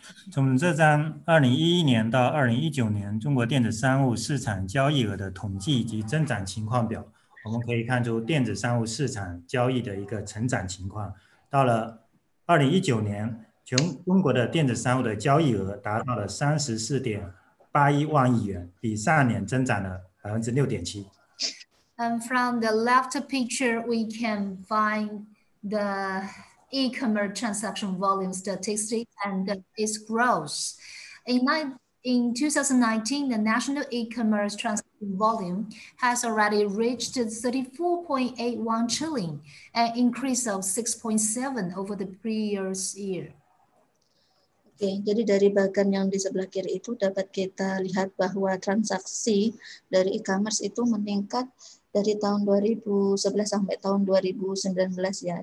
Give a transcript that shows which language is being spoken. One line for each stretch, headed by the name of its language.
Chinese: 从这张 2011年到2019年 中国电子商务市场交易额的统计及增长情况表， 我们可以看出电子商务市场交易的一个成长情况。到了2019年， 全中国的电子商务的交易额达到了 34.81万亿元， 比上年增长了 6.7%。
English: From the left picture, we can find the e-commerce transaction volume statistic and its growth. In 2019, the national e-commerce transaction volume has already reached 34.81 trillion, an increase of 6.7 over the previous year.
Indonesian: Okay, jadi dari bagian yang di sebelah kiri itu dapat kita lihat bahwa transaksi dari e-commerce itu meningkat dari tahun 2011 sampai tahun 2019 ya.